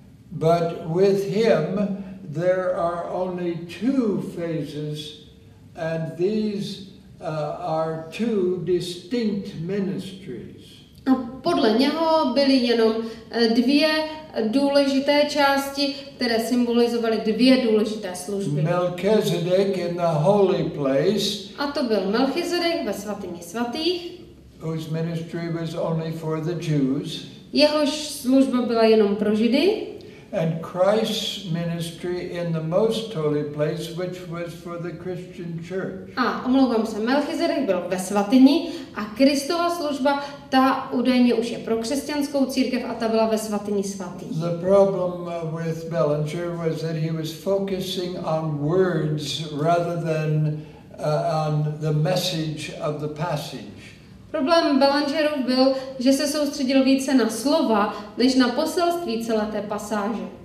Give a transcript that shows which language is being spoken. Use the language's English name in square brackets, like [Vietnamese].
[English] But with him, there are only two phases, and these are two distinct ministries. [Czech] A podle něho byly jenom dvě důležité části, které symbolizovaly dvě důležité služby. [English] Melchizedek in the holy place. [Czech] A to byl Melchizedek ve svatyni svatých. [English] Whose ministry was only for the Jews. [Czech] Jehož služba byla jenom pro Židy. [English] and Christ's ministry in the most holy place, which was for the Christian church. [Czech] A omlouvám se, Melchizedek byl ve svatyni a Kristova služba, ta údajně už je pro křesťanskou církev a ta byla ve svatyni svatých. [English] The problem with Bellinger was that he was focusing on words rather than on the message of the passage. [Czech] Problém Bellingerů byl, že se soustředil více na slova, než na poselství celé té pasáže.